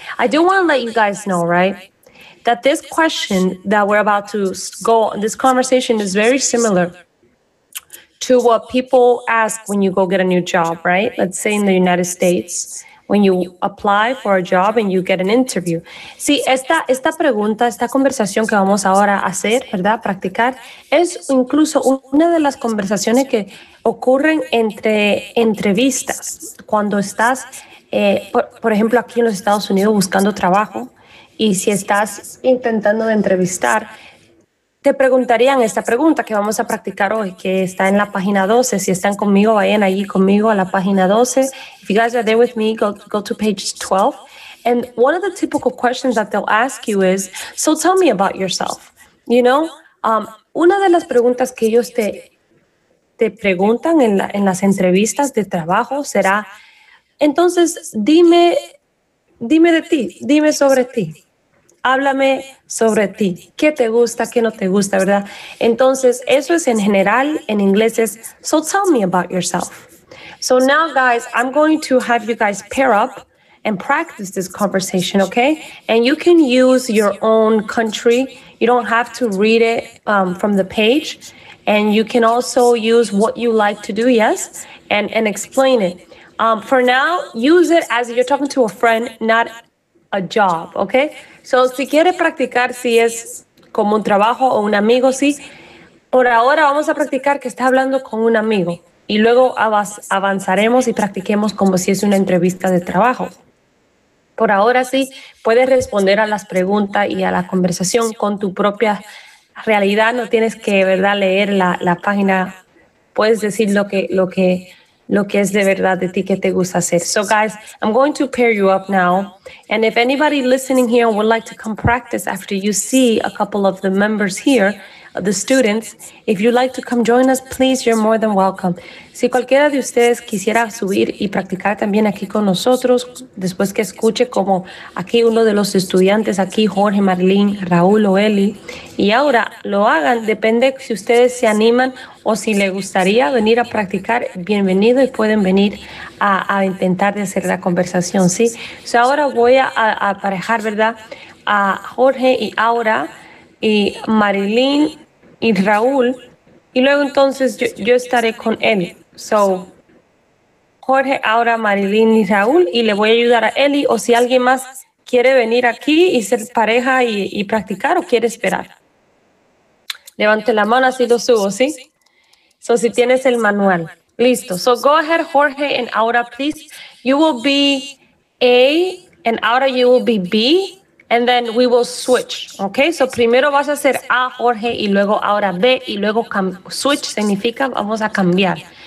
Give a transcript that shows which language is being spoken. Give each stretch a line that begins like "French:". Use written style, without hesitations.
English: I do want to let you guys know, right, that this question that we're about to go, this conversation is very similar to what people ask when you go get a new job, right? Let's say in the United States, when you apply for a job and you get an interview.
Spanish: Sí, esta pregunta, esta conversación que vamos ahora a hacer, ¿verdad? Practicar, es incluso una de las conversaciones que ocurren entre entrevistas. Cuando estás, por ejemplo, aquí en los Estados Unidos buscando trabajo, y si estás intentando de entrevistar, te preguntarían esta pregunta que vamos a practicar hoy, que está en la página 12. Si están conmigo, vayan allí conmigo a la página 12.
English: If you guys are there with me, go to page 12. And one of the typical questions that they'll ask you is, so tell me about yourself, you know?
Spanish: Una de las preguntas que ellos te preguntan en las entrevistas de trabajo será, entonces dime de ti, dime sobre ti. Háblame sobre ti. ¿Qué te gusta? ¿Qué no te gusta? ¿Verdad? Entonces, eso es en general, en inglés es,
English: so tell me about yourself. So now, guys, I'm going to have you guys pair up and practice this conversation, okay? And you can use your own country. You don't have to read it from the page. And you can also use what you like to do, yes, and explain it. For now, use it as you're talking to a friend, not a job, okay?
Spanish: So, si quieres practicar, si es como un trabajo o un amigo, sí. Por ahora vamos a practicar que está hablando con un amigo. Y luego avanzaremos y practiquemos como si es una entrevista de trabajo. Por ahora, sí, puedes responder a las preguntas y a la conversación con tu propia realidad. No tienes que, ¿verdad?, leer la página. Puedes decir lo que es de verdad de ti, que te gusta hacer.
English: So guys, I'm going to pair you up now. And if anybody listening here would like to come practice after you see a couple of the members here, the students, if you'd like to come join us, please, you're more than welcome.
Spanish: Si cualquiera de ustedes quisiera subir y practicar también aquí con nosotros, después que escuche como aquí uno de los estudiantes aquí, Jorge, Marlene, Raúl o Eli, y ahora lo hagan, depende si ustedes se animan o si les gustaría venir a practicar, bienvenido y pueden venir a intentar de hacer la conversación, ¿sí? So ahora voy a aparejar, ¿verdad?, a Jorge y Aura y Marilyn y Raúl, y luego entonces yo estaré con Eli. So, Jorge, Aura, Marilyn y Raúl, y le voy a ayudar a Eli, o si alguien más quiere venir aquí y ser pareja y practicar, o quiere esperar. Levante la mano, así lo subo, ¿sí? So, si tienes el manual. Listo.
English: So, go ahead, Jorge and Aura, please. You will be A, and Aura, you will be B. And then we will switch, okay?
Spanish: So primero vas a hacer A, Jorge, y luego ahora B, y luego switch significa vamos a cambiar.